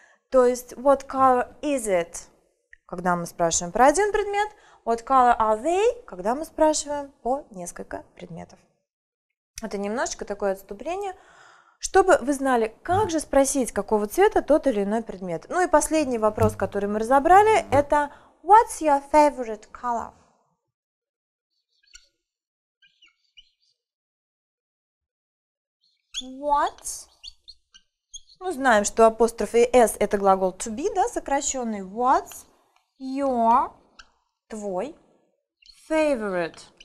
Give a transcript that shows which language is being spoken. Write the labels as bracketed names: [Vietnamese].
[Russian] То есть, [English] what color is it? [Russian] Когда мы спрашиваем про один предмет, [English] what color are they, [Russian] когда мы спрашиваем по несколько предметов. Это немножечко такое отступление, чтобы вы знали, как же спросить, какого цвета тот или иной предмет. Ну и последний вопрос, который мы разобрали, это [English] what's your favorite color? What? [Russian] Ну, знаем, что апостроф и s это глагол to be, да, сокращенный. [English] What's your, твой, favorite.